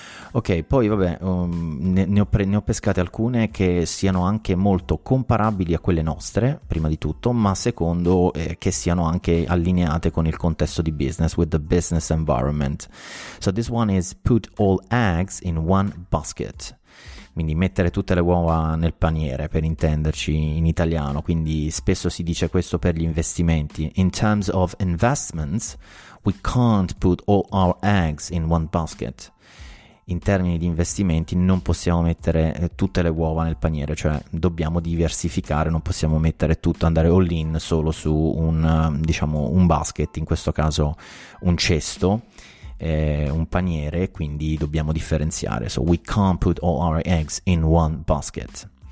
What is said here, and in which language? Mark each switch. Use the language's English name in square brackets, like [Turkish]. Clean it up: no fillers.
[Italian] Ok, poi vabbè, ne ho pescate alcune che siano anche molto comparabili a quelle nostre, prima di tutto, ma secondo che siano anche allineate con il contesto di business, [English] with the business environment. So this one is put all eggs in one basket, [Italian] quindi mettere tutte le uova nel paniere, per intenderci in italiano, quindi spesso si dice questo per gli investimenti. [English] In terms of investments, we can't put all our eggs in one basket. [Italian] In termini di investimenti non possiamo mettere tutte le uova nel paniere, cioè dobbiamo diversificare, non possiamo mettere tutto, andare all in solo su un, diciamo, un basket, in questo caso un cesto, un paniere, quindi dobbiamo differenziare. [English] So we can't put all our eggs in one basket.